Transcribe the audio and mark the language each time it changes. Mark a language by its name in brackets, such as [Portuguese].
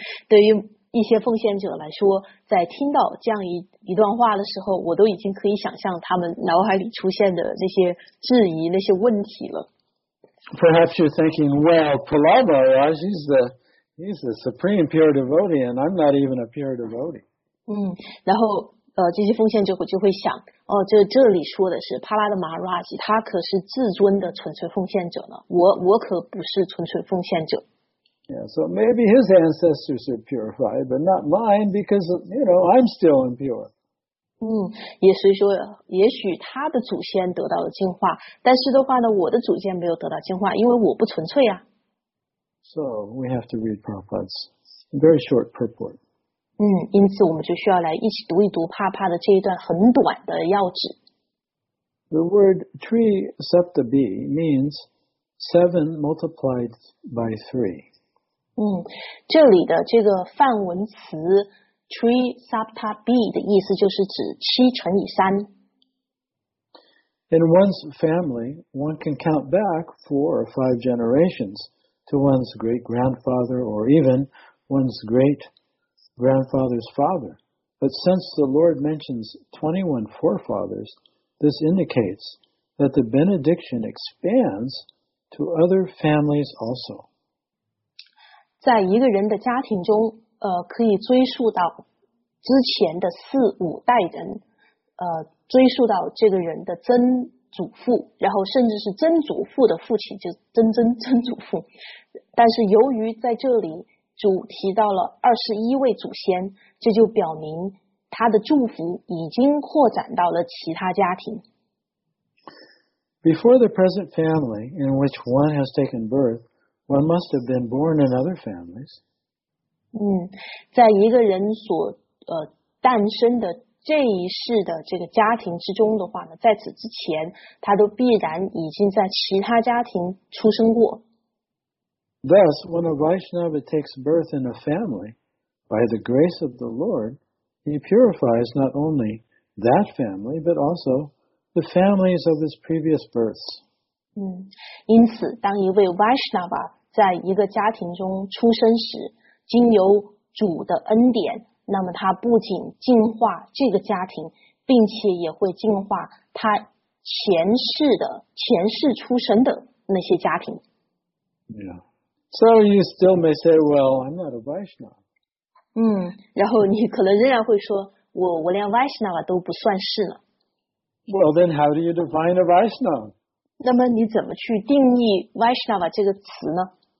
[Chinese] 对于一些奉献者来说，在听到这样一段话的时候，我都已经可以想象他们脑海里出现的那些质疑、那些问题了。 [English] Perhaps you're thinking, well, Prahlad Maharaj, he's the supreme pure devotee, and I'm not even a pure devotee. [Chinese] 然后这些奉献者就会想，哦，这里说的是帕拉的马拉吉，他可是至尊的纯粹奉献者呢，我可不是纯粹奉献者。 [English] Yeah, so maybe his ancestors are purified, but not mine because, you know, I'm still impure. [Chinese] 也是说，也许他的祖先得到了净化，但是的话呢，我的祖先没有得到净化，因为我不纯粹啊。 [English] So we have to read Prabhupada's very short purport. [Chinese] 因此我们就需要来一起读一读帕帕的这一段很短的要旨。 [English] The word tree septa b means seven multiplied by three. [Chinese] 这里的这个梵文词 tree sapta b 的意思就是指七乘以三。 [English] In one's family, one can count back four or five generations to one's great grandfather or even one's great grandfather's father. But since the Lord mentions 21 forefathers, this indicates that the benediction expands to other families also. [Chinese] 在一个人的家庭中，可以追溯到之前的四五代人，追溯到这个人的曾祖父，然后甚至是曾祖父的父亲，就是曾祖父。但是由于在这里主提到了21位祖先，这就表明他的祝福已经扩展到了其他家庭。 [English] Before the present family in which one has taken birth,One must have been born in other families. [Chinese] 在一个人所诞生的这一世的这个家庭之中的话呢，在此之前，他都必然已经在其他家庭出生过。 [English] Thus, when a Vaishnava takes birth in a family, by the grace of the Lord, he purifies not only that family, but also the families of his previous births. [Chinese] 因此，当一位 Vaishnava在一个家庭中出生时，经由主的恩典，那么他不仅净化这个家庭，并且也会净化他前世出生的那些家庭。 [English] Yeah. So you still may say, well, I'm not a Vaishnava. [Chinese] 然后你可能仍然会说，我连 Vaishnava 都不算是呢。 [English] Well, then how do you define a Vaishnava? [Chinese] 那么你怎么去定义 Vaishnava 这个词呢？